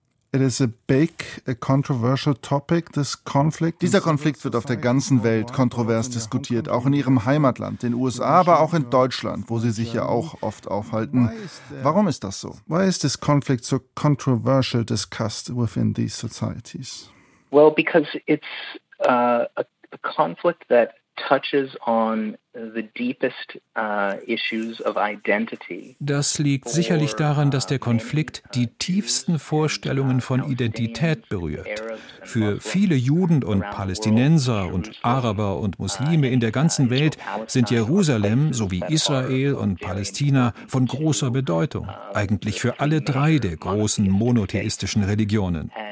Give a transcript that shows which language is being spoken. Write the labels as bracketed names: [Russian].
[English] It is a big, a controversial topic, this conflict. [German] Dieser Konflikt wird auf der ganzen Welt kontrovers diskutiert, auch in Ihrem Heimatland, den USA, aber auch in Deutschland, wo Sie sich ja auch oft aufhalten. Warum ist das so? [English] Why is this conflict so controversial discussed within these societies? Well, because it's a conflict that touches on the deepest issues of identity. [German] Das liegt sicherlich daran, dass der Konflikt die tiefsten Vorstellungen von Identität berührt. Für viele Juden und Palästinenser und Araber und Muslime in der ganzen Welt sind Jerusalem sowie Israel und Palästina von großer Bedeutung, eigentlich für alle drei der großen monotheistischen Religionen.